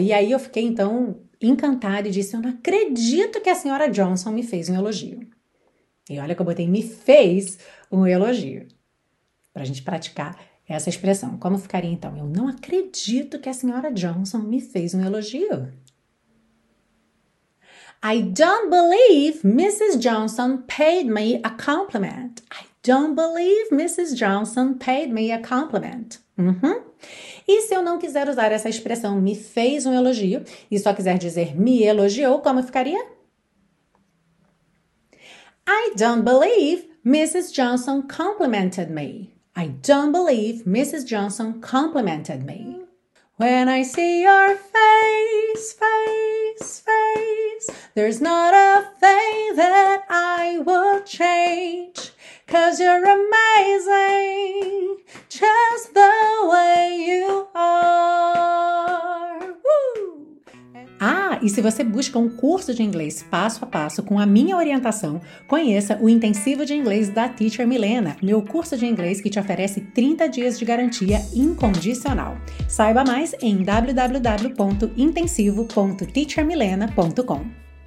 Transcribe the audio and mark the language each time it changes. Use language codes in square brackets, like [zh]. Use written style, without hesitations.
[pt] E aí eu fiquei então encantada e disse, eu não acredito que a senhora Johnson me fez um elogio. E olha que eu botei, me fez um elogio. Para a gente praticar essa expressão. Como ficaria então? Eu não acredito que a senhora Johnson me fez um elogio. [en] I don't believe Mrs. Johnson paid me a compliment. Don't believe Mrs. Johnson paid me a compliment. Uhum. [pt] E se eu não quiser usar essa expressão me fez um elogio e só quiser dizer me elogiou, como ficaria? [en] I don't believe Mrs. Johnson complimented me. I don't believe Mrs. Johnson complimented me. When I see your face, face, face, there's not a thing that I would change. 'Cause you're amazing, just the way you are. [pt] Ah, e se você busca um curso de inglês passo a passo com a minha orientação, conheça o Intensivo de Inglês da Teacher Milena, meu curso de inglês que te oferece 30 dias de garantia incondicional. Saiba mais em www.intensivo.teachermilena.com.